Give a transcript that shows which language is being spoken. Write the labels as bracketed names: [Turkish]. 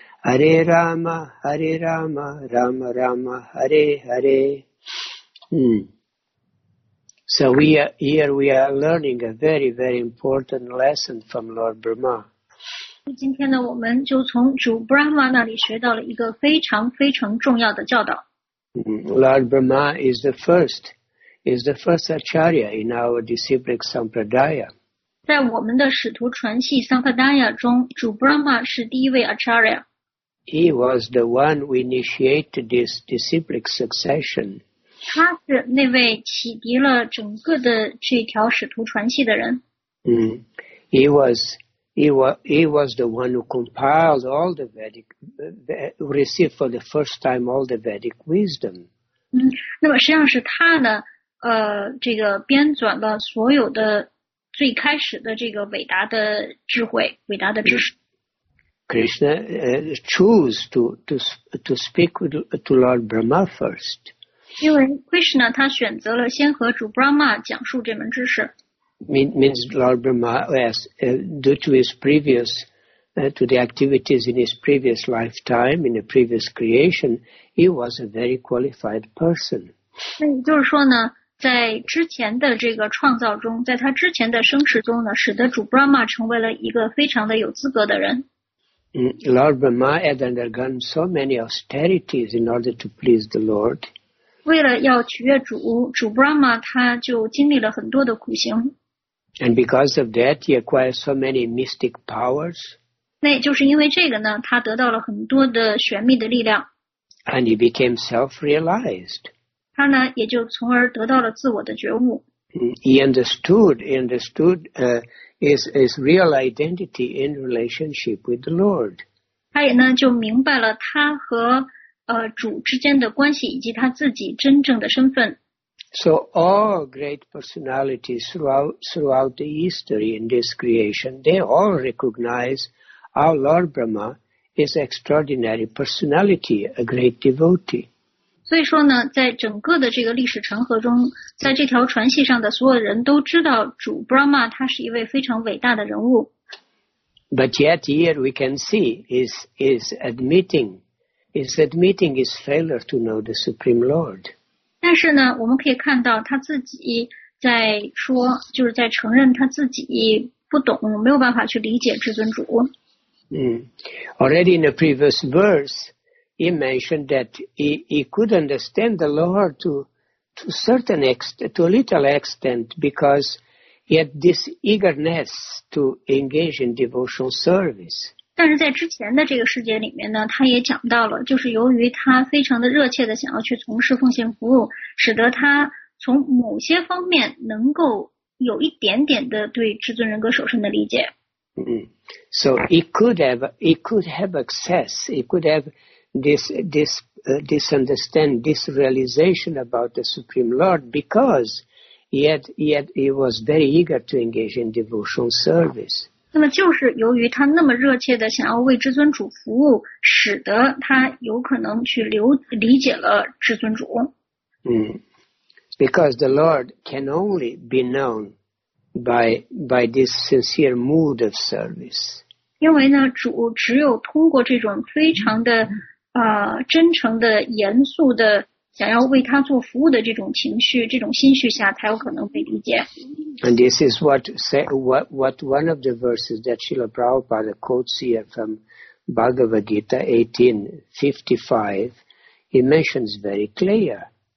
[Sanskrit] Hare Rama Hare Rama Rama Rama Hare Hare [English] So here we are learning a very, very important lesson from Lord Brahma. [Chinese] 今天呢，我们就从主 Brahma 那里学到了一个非常非常重要的教导。 [English] Lord Brahma is the first Acharya in our disciplic Sampradaya. [Chinese] 在我们的使徒传系 Sampradaya 中，主 Brahma 是第一位 Acharya. [English] He was the one who initiated this disciplic succession. [Chinese] 他是那位启迪了整个的这条使徒传系的人。 [English] He was the one who compiled all the Vedic, received for the first time all the Vedic wisdom. [Chinese] 那么实际上是他呢，这个编纂了所有的最开始的这个伟大的智慧，伟大的知识。 [English] Krishna chose to speak to Lord Brahma first. [Chinese] 因为 Krishna 他选择了先和主 Brahma 讲述这门知识。 [English] Means Lord Brahma, yes, due to his previous to the activities in his previous lifetime, in a previous creation, he was a very qualified person. [Chinese] 就是说呢，在之前的这个创造中，在他之前的生时中呢，使得主 Brahma 成为了一个非常的有资格的人。 [English] Lord Brahma had undergone so many austerities in order to please the Lord. [Chinese] 为了要取悦主，主 Brahma 他就经历了很多的苦行。 [English] And because of that, he acquired so many mystic powers. [Chinese] 那就是因为这个呢，他得到了很多的玄秘的力量。 [English] And he became self-realized. [Chinese] 他呢，也就从而得到了自我的觉悟。 [English] He understood his real identity in relationship with the Lord. [Chinese] 他也呢就明白了他和主之间的关系以及他自己真正的身份。 [English] So all great personalities throughout the history in this creation, they all recognize our Lord Brahma is extraordinary personality, a great devotee. [Chinese] 所以说呢，在整个的这个历史长河中，在这条传系上的所有人都知道主 Brahma 他是一位非常伟大的人物。 [English] But yet here we can see is admitting his failure to know the Supreme Lord. [Chinese] 但是呢，我们可以看到他自己在说，就是在承认他自己不懂，没有办法去理解至尊主。 [English] Already in the previous verse, he mentioned that he could understand the Lord to a little extent because he had this eagerness to engage in devotional service. [Chinese] 但是在之前的这个世界里面呢，他也讲到了，就是由于他非常的热切的想要去从事奉献服务，使得他从某些方面能够有一点点的对至尊人格首身的理解。 [English] So he could have this understand, this realization about the Supreme Lord because he was very eager to engage in devotional service. [Chinese] 那么就是由于他那么热切的想要为至尊主服务，使得他有可能去理解了至尊主。 [English] Because the Lord can only be known by this sincere mood of service. [Chinese] 因为呢，主只有通过这种非常的真诚的、严肃的想要为他做服务的这种情绪、这种心绪下，才有可能被理解。 [English] And this is what one of the verses that Srila Prabhupada quotes here from Bhagavad Gita 18:55, he mentions very clear.